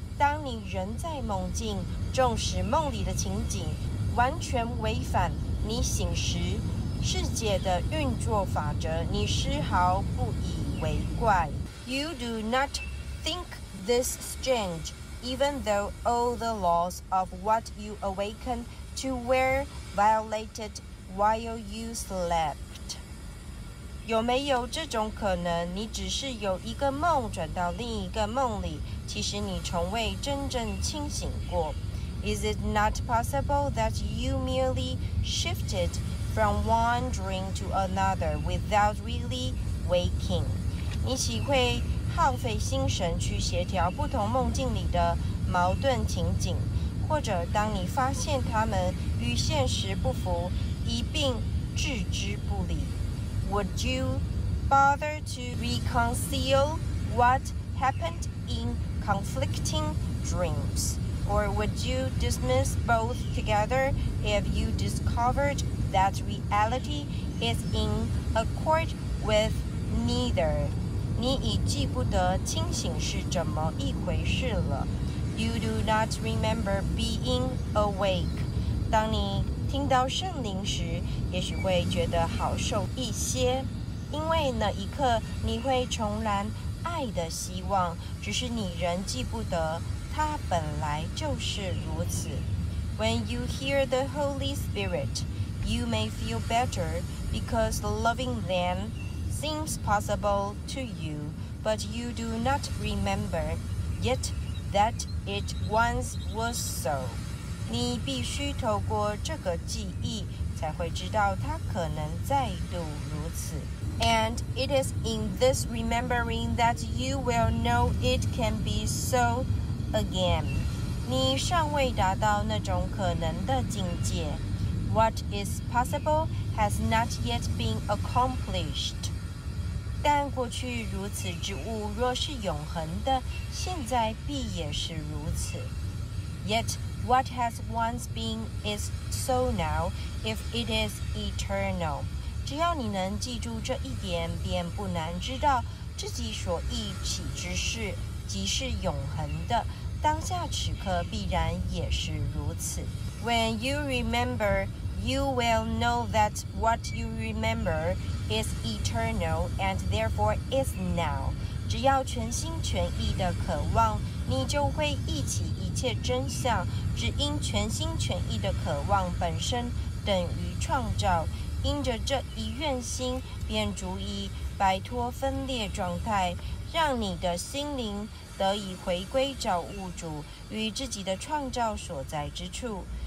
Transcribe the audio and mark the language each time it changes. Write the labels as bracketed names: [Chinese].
[Chinese] 当你人在梦境，纵使梦里的情景完全违反你醒时世界的运作法则，你丝毫不以为怪。 [English] You do not think this strange. Even though all the laws of what you awaken to were violated while you slept. [Chinese] 有没有这种可能？你只是有一个梦转到另一个梦里，其实你从未真正清醒过。 [English] Is it not possible that you merely shifted from one dream to another without really waking? [Chinese] 你岂会耗费心神去协调不同梦境里的矛盾情景，或者当你发现他们与现实不符，一并置之不理。 [English] Would you bother to reconcile what happened in conflicting dreams? or would you dismiss both together if you discovered that reality is in accord with neither? [Chinese] 你已记不得清醒是怎么一回事了。 [English] You do not remember being awake. [Chinese] 当你听到圣灵时，也许会觉得好受一些，因为那一刻你会重燃爱的希望，只是你仍记不得它本来就是如此。 [English] When you hear the Holy Spirit, you may feel better because loving them seems possible to you, but you do not remember yet that it once was so. [Chinese] 你必须透过这个记忆才会知道它可能再度如此。 [English] And it is in this remembering that you will know it can be so again. [Chinese] 你尚未达到那种可能的境界。 [English] What is possible has not yet been accomplished. [Chinese] 但过去如此之物若是永恒的，现在必也是如此。 [English] Yet what has once been is so now if it is eternal. [Chinese] 只要你能记住这一点，便不难知道自己所忆起之事即是永恒的，当下此刻必然也是如此。 [English] When you remember, you will know that what you remember is eternal and therefore is now. [Chinese] 只要全心全意的渴望，你就会忆起一切真相，只因全心全意的渴望本身等于创造，因着这一愿心，便足以摆脱分裂状态，让你的心灵得以回归造物主与自己的创造所在之处。